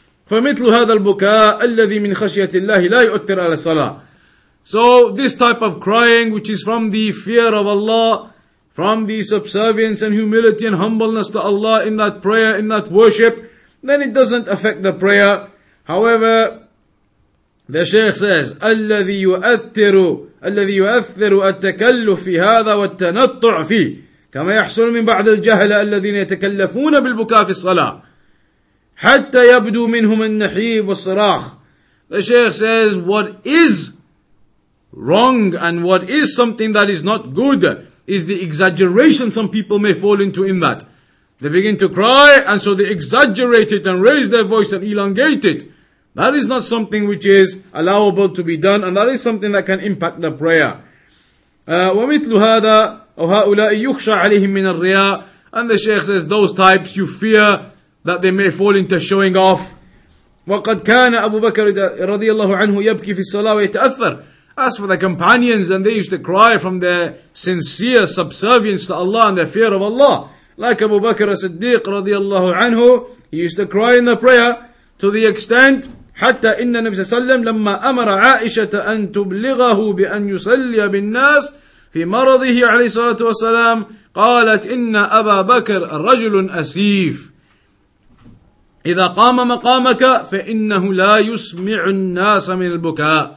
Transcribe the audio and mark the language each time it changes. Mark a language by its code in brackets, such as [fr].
[ar] فَمِثْلُ هَذَا الْبُكَاءَ الَّذِي مِنْ خَشْيَةِ اللَّهِ لَا يُؤْتِرْ عَلَى الصَّلَاةِ. [en] So this type of crying, which is from the fear of Allah, from the subservience and humility and humbleness to Allah in that prayer, in that worship, then it doesn't affect the prayer. However, the Shaykh says, [ar] الَّذِي يُؤَثِّرُ التَّكَلُّفِ فِي هَذَا وَالتَّنَطُّعُ فِيهِ كما يحصل من بعض الجهل الذين يتكلفون بالبكاء في الصلاة حتى يبدو منهم النحيب والصراخ. [en] The Shaykh says, what is wrong and what is something that is not good is the exaggeration some people may fall into in that. They begin to cry and so they exaggerate it and raise their voice and elongate it. That is not something which is allowable to be done, and that is something that can impact the prayer. [ar] ومثل هذا أو هؤلاء يخشى عليهم من الرياء. [en] And the Shaykh says, those types you fear that they may fall into showing off. [ar] وقد كان أبو بكر رضي الله عنه يبكي في الصلاة ويتأثر. [en] As for the companions, and they used to cry from their sincere subservience to Allah and their fear of Allah. Like Abu Bakr as-Siddiq رضي الله عنه, he used to cry in the prayer to the extent [ar] حتى إن النبي صلى الله عليه وسلم لما أمر عائشة أن تبلغه بأن يصلي بالناس في مرضه عليه الصلاة والسلام قالت إن أبا بكر رجل أسيف إذا قام مقامك فإنه لا يسمع الناس من البكاء.